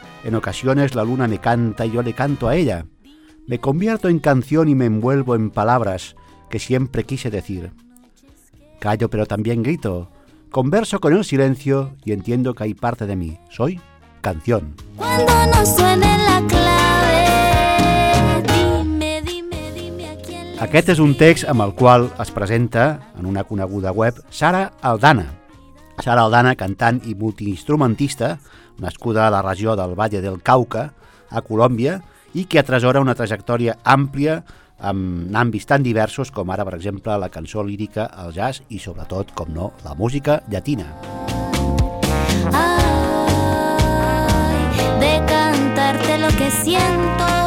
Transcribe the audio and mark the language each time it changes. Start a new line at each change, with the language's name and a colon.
Spanish: En ocasiones la luna me canta y yo le canto a ella. Me convierto en canción y me envuelvo en palabras que siempre quise decir. Callo, pero también grito. Converso con el silencio y entiendo que hay parte de mí. Soy canción. Cuando no suene la clave, dime a quién.
Catalan: Aquest és un text amb el qual es presenta en una coneguda web Sara Aldana. Sara Aldana, cantant i multiinstrumentista, nascuda a la regió del Valle del Cauca, a Colòmbia, i que atresora una trajectòria àmplia amb àmbits tan diversos com ara, per exemple, la cançó lírica, el jazz i, sobretot, com no, la música llatina.
Spanish: Ay, de cantarte lo que siento.